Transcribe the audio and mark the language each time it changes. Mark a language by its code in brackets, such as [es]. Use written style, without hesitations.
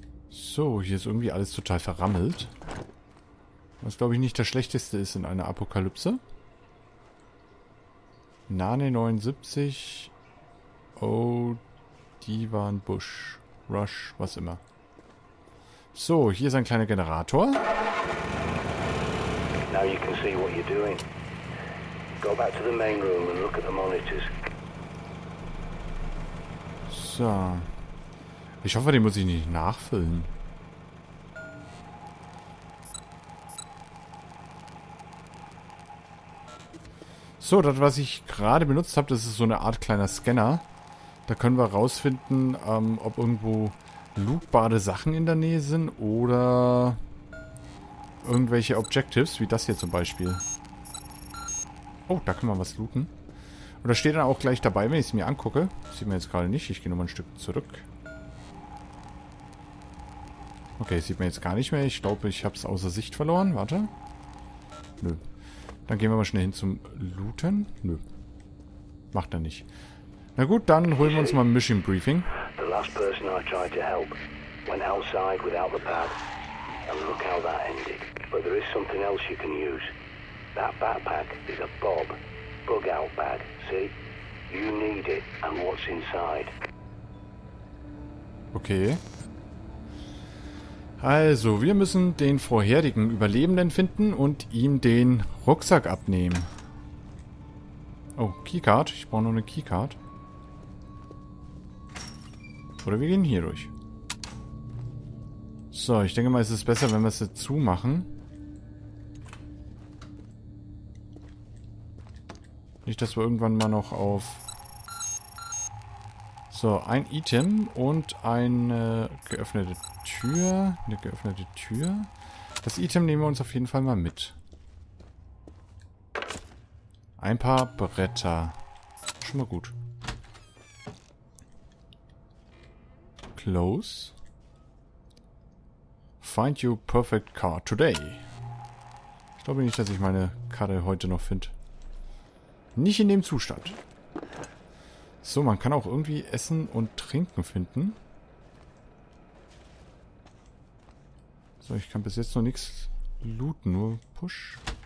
[de] So, hier ist irgendwie alles total verrammelt. Was, glaube ich, nicht das Schlechteste ist in einer Apokalypse. Nane 79. Oh, Divan Bush. Rush, was immer. So, hier ist ein kleiner Generator. [en] Now you can see what you're doing. Go back to the main room and look at the monitors. [de] So. Ich hoffe, den muss ich nicht nachfüllen. So, das, was ich gerade benutzt habe, das ist so eine Art kleiner Scanner. Da können wir rausfinden, ob irgendwo lootbare Sachen in der Nähe sind oder irgendwelche Objectives, wie das hier zum Beispiel. Oh, da können wir was looten. Und da steht dann auch gleich dabei, wenn ich es mir angucke. Das sieht man jetzt gerade nicht. Ich gehe nochmal ein Stück zurück. Okay, sieht man jetzt gar nicht mehr. Ich glaube, ich habe es außer Sicht verloren. Warte. Nö. Dann gehen wir mal schnell hin zum Looten. Nö. Macht er nicht. Na gut, dann holen wir uns mal ein Mission Briefing. [en] The last person I tried to help went outside without the pad. And look how that ended. But there is something else you can use. That backpack is a Bob. Bug out bag, see? You need it and what's inside. Okay. [de] Also, wir müssen den vorherigen Überlebenden finden und ihm den Rucksack abnehmen. Oh, Keycard. Ich brauche nur eine Keycard. Oder wir gehen hier durch. So, ich denke mal, es ist besser, wenn wir es jetzt zumachen. Nicht, dass wir irgendwann mal noch auf... So, ein Item und eine geöffnete Tür. Eine geöffnete Tür. Das Item nehmen wir uns auf jeden Fall mal mit. Ein paar Bretter. Schon mal gut. [en] Close. Find your perfect car today. [de] Ich glaube nicht, dass ich meine Karre heute noch finde. Nicht in dem Zustand. So, man kann auch irgendwie Essen und Trinken finden. So, ich kann bis jetzt noch nichts looten, nur Push.